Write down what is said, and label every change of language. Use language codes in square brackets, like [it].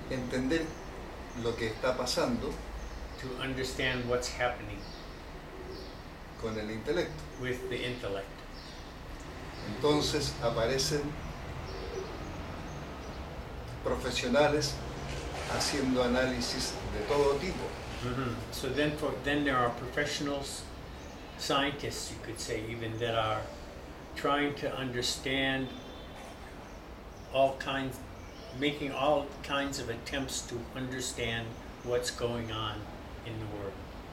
[es] entender lo que está pasando, [en] to understand what's happening [es] con el intelecto. [en] With the intellect. [es] Entonces aparecen profesionales haciendo análisis de todo tipo. Mm-hmm. [en] So then there are professionals, scientists, you could say, even that are trying to understand all kinds, making all kinds of attempts to understand what's going on in the world.